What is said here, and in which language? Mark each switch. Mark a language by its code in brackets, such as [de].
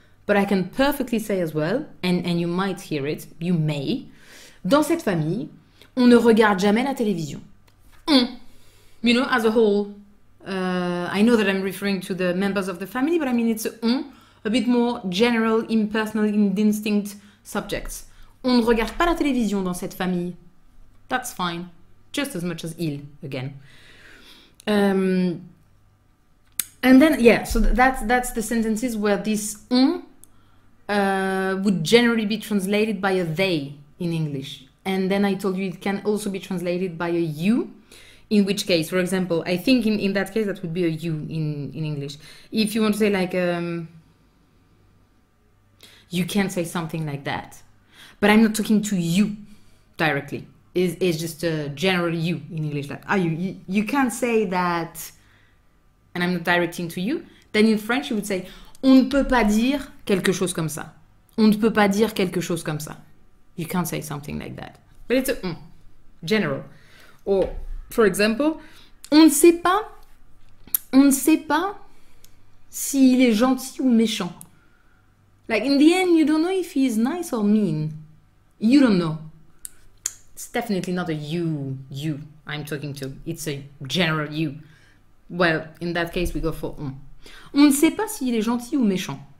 [en] But I can perfectly say as well, and you might hear it, you may, [fr] dans cette famille, on ne regarde jamais la télévision. [en] On. You know, as a whole. I know that I'm referring to the members of the family, but I mean it's a on, a bit more general, impersonal, indistinct subjects. [fr] On ne regarde pas la télévision dans cette famille. [en] That's fine, just as much as il, again. And then, yeah, so that's the sentences where this on would generally be translated by a they in English. And then I told you it can also be translated by a you, in which case, for example, I think in that case that would be a you in English. If you want to say like, you can't say something like that. But I'm not talking to you directly. Is just a general you in English, like, you can't say that, and I'm not directing to you. Then in French, you would say, [fr] on ne peut pas dire quelque chose comme ça. On ne peut pas dire quelque chose comme ça. [en] You can't say something like that. But it's a general. Or, for example, [fr] on ne sait pas s'il est gentil ou méchant. [en] Like, in the end, you don't know if he's nice or mean. You don't know. It's definitely not a you I'm talking to. It's a general you. Well, in that case, we go for on. [fr] On ne sait pas s'il est gentil ou méchant.